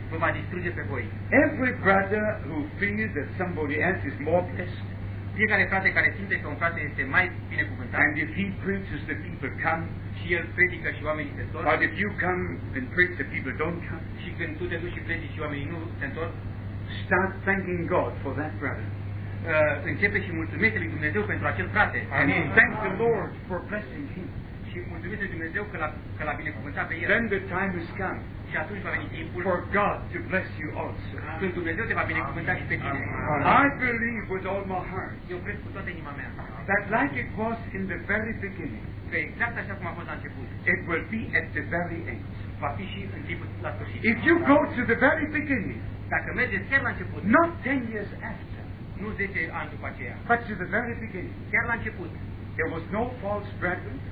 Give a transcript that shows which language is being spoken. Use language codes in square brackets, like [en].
[en] Every brother who feels that somebody else is more blessed, [ro] fiecare frate care simte că un frate este mai binecuvântat. [en] And if he preaches, the people come. [ro] Și el predică și oamenii se întorc. [en] But if you come and preach, the people don't come. [ro] Și când tu te duci și predici și oamenii nu se întorc. [en] Start thanking God for that brother. [ro] Începe și mulțumește lui Dumnezeu pentru acel frate. [en] And thank the Lord for blessing him. [ro] Și mulțumește lui Dumnezeu că l-a binecuvântat pe el. [en] Then the time has come. [ro] Și atunci va veni timpul [en] for God to bless you also. [ro] Când Dumnezeu te va binecuvânta și pe tine. [en] I believe with all my heart. [ro] Eu cred cu toată inima mea. [en] That like it was in the very beginning. [ro] Că exact așa cum a fost la început. [en] It will be at the very end. [ro] Va fi și în timpul la sfârșit. [en] If you go to the very beginning. [ro] Dacă mergeți chiar la început. [en] Not 10 years after. [ro] Nu 10 ani după aceea. [en] But to the very beginning. [ro] Chiar la început. [en] There was no false brethren.